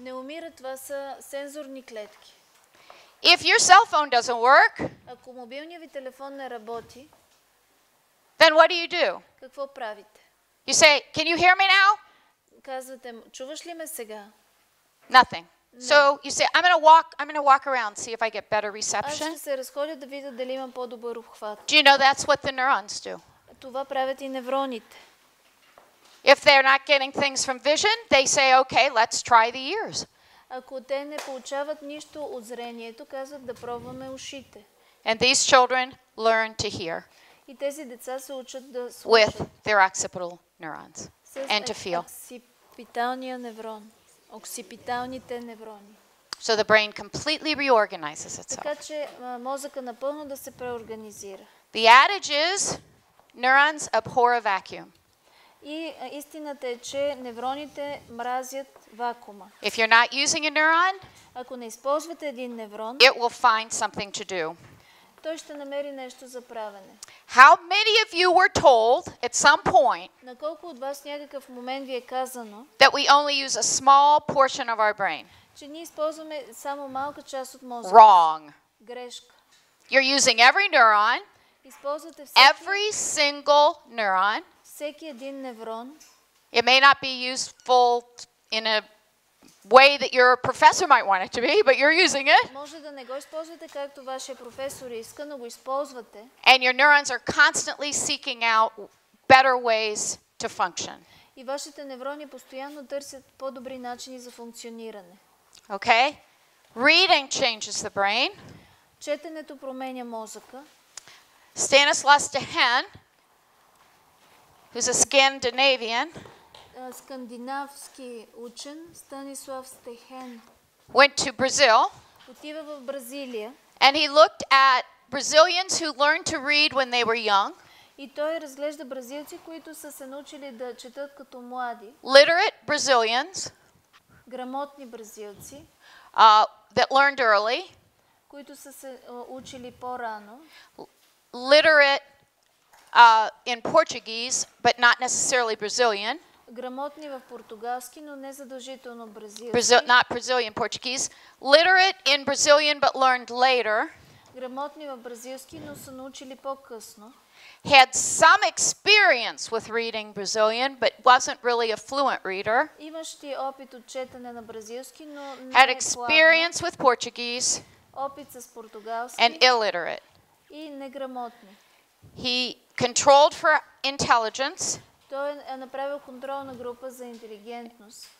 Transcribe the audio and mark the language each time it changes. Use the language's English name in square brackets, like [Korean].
[Bulgarian] Не умират, това са сензорни клетки. [English] If your cell phone doesn't work, [Bulgarian] ако мобилният ви телефон не работи, [English] then what do you do? [Bulgarian] Какво правите? [English] You say, "Can you hear me now?" [Bulgarian] Казвате, чуваш ли ме сега? [English] Nothing. No. So you say, "I'm going to walk around, see if I get better reception." [Bulgarian] Аз ще се разходя да видя дали имам по-добър обхват. [English] Do you know that's what the neurons do? [Bulgarian] Това правят и невроните. [English] If they're not getting things from vision, they say, "Okay, let's try the ears." [Bulgarian] Ако те не получават нищо от зрението, казват да пробваме ушите. [English] And these children learn to hear. [Bulgarian] И тези деца се учат да слушат. [English] With their occipital neurons. And to feel. [Bulgarian] Оксипиталния неврон. Оксипиталните неврони. [English] So the brain completely reorganizes itself. [Bulgarian] Така че мозъка напълно да се преорганизира. [English] The adage is neurons abhor a vacuum. [Bulgarian] И истината е, че невроните мразят вакуума. [English] If you're not using a neuron, [Bulgarian] ако не използвате един неврон, [English] it will find something to do. [Bulgarian] Той ще намери нещо за правене. [English] How many of you were told at some point, [Bulgarian] на колко от вас някакъв момент ви е казано, [English] that we only use a small portion of our brain? [Bulgarian] Че ние използваме само малка част от мозъка. [English] Wrong. [Bulgarian] Грешка. [English] You're using every neuron. [Bulgarian] Използвате всеки. [English] Every single neuron. [Bulgarian] Всеки един неврон. [English] It may not be useful in a way that your professor might want it to be, but you're using it. [Bulgarian] Може да не го използвате както вашия професор иска, но го използвате. [English] And your neurons are constantly seeking out better ways to function. [Bulgarian] И вашите неврони постоянно търсят по-добри начини за функциониране. [English] Okay? Reading changes the brain. [Bulgarian] Четенето променя мозъка. [English] Stanislaus Dehaene, who's a Scandinavian, [Bulgarian] скандинавски учен, Станислав Стехен, [English] went to Brazil, [Bulgarian] отива в Бразилия, [English] and he looked at Brazilians who learned to read when they were young, [Bulgarian] и той разглежда бразилци, които са се научили да четат като млади, [English] literate Brazilians, [Bulgarian] грамотни бразилци, [English] that learned early, [Bulgarian] които са се учили по-рано. [English] Literate in Portuguese, but not necessarily Brazilian. [Bulgarian] Грамотни в португалски, но не задължително бразилски. [English] Not Brazilian Portuguese. Literate in Brazilian, but learned later. [Bulgarian] Грамотни в бразилски, но са научили по-късно. [English] Had some experience with reading Brazilian, but wasn't really a fluent reader. [Bulgarian] Имащи опит от четене на бразилски, но не. [English] Had experience with Portuguese. [Bulgarian] Опит с португалски. [English] And illiterate. [Bulgarian] И неграмотни. [English] He controlled for intelligence. [Bulgarian] Той е направил контролна група за интелигентност.